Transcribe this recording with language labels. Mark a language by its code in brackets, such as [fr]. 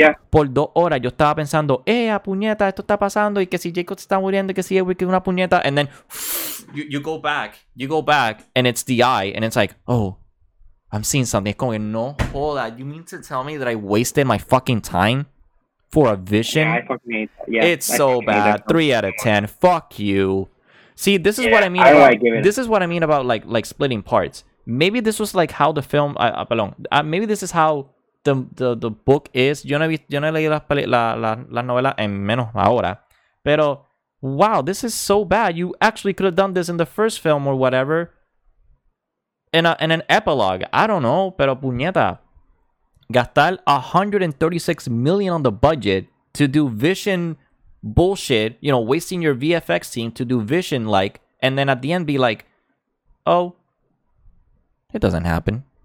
[es] Por dos horas yo estaba pensando, a puñeta, esto está pasando y que si Jacob está muriendo y que si Edward que una puñeta. [en] And then you go back and it's the eye and it's like, oh, I'm seeing something. It's going, no, hold on. You mean to tell me that I wasted my fucking time for a vision? Yeah, I fucking hate that. Yeah, it's so bad. 3 out of 10. Fuck you. See, this is what I mean. This is what I mean about like splitting parts. Maybe this was like how the film. Maybe this is how the book is. [es] Yo no he leído la novela en menos ahora. [en] Pero wow, this is so bad. You actually could have done this in the first film or whatever. In an epilogue, I don't know. [es] Pero puñeta, gastar [en] $136 million on the budget to do Vision bullshit, you know, wasting your VFX team to do Vision, like, and then at the end be like, oh, it doesn't happen.